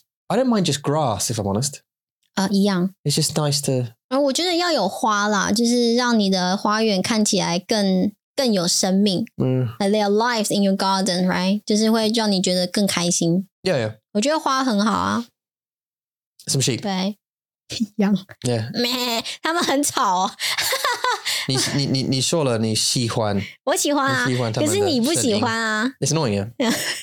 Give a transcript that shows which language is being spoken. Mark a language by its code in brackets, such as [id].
[en] I don't mind just grass, if I'm honest. [zh] 一样。 [en] It's just nice to...、 [zh] 我觉得要有花啦，就是让你的花园看起来更有生命。 [en] Like there are lives in your garden, right? [zh] 就是会让你觉得更开心。 [en] Yeah, yeah. [zh] 我觉得花很好啊。 [en] Some sheep. [zh] 对。羊 [en] yeah. [zh] 没他们很吵、哦、你说了你喜欢我喜欢啊喜欢可是你不喜欢啊 [en] It's annoying、yeah?